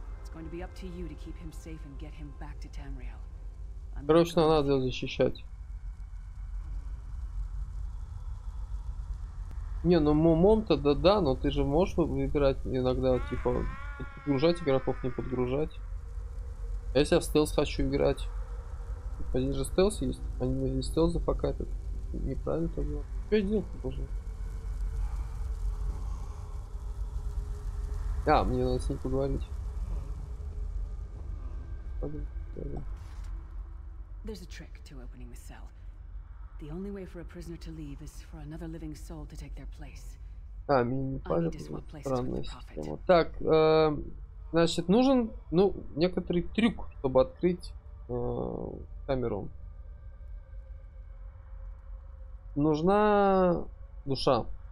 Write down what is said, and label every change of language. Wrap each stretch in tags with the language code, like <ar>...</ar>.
<en>It's going to be up to you to keep him safe and get him back to Tamriel.</en> <ru>Короче, нам надо его защищать. Не, ну Момом-то да, но ты же можешь выбирать иногда, типа, подгружать игроков, не подгружать. А если я в стелс хочу играть? Они же стелс есть, они не стелс зафакапят. Неправильно то было. Что я делал-то уже? А, мне надо с ним поговорить.</ru> <en>There's a trick to opening the cell. The only way for a prisoner to leave is for another living soul to take their place.</en> <ru>А, мне не понятно. Странная система. Так, значит, нужен, ну, некоторый трюк, чтобы открыть камеру. Нужна душа.</ru>